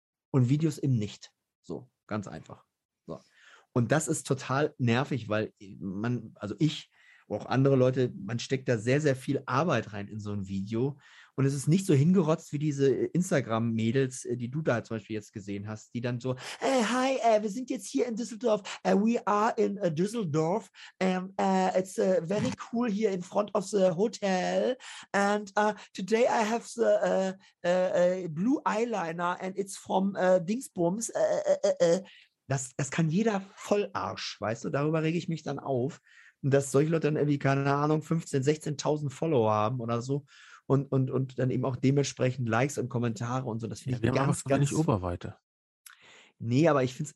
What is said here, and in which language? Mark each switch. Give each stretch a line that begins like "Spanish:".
German: Und Videos eben nicht. So, ganz einfach. So. Und das ist total nervig, weil man, also ich, auch andere Leute, man steckt da sehr, sehr viel Arbeit rein in so ein Video. Und es ist nicht so hingerotzt wie diese Instagram-Mädels, die du da zum Beispiel jetzt gesehen hast, die dann so, hey, hi, wir sind jetzt hier in Düsseldorf.
English: We are in Düsseldorf. It's very cool here in front of the hotel. And today I have the blue eyeliner and it's from Dingsbums.
German: Das kann jeder Vollarsch, weißt du? Darüber rege ich mich dann auf. Und dass solche Leute dann irgendwie, keine Ahnung, 15.000, 16.000 Follower haben oder so. Und dann eben auch dementsprechend Likes und Kommentare und so. Das finde ich ganz, ganz... nicht Oberweite. Nee, aber ich finde es...